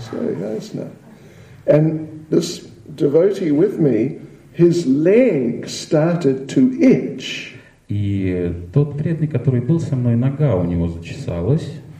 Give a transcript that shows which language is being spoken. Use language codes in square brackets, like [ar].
[en] So, yes, no. And this devotee with me, his leg started to itch. [ru] И тот преданный, который был со мной, нога у него зачесалась.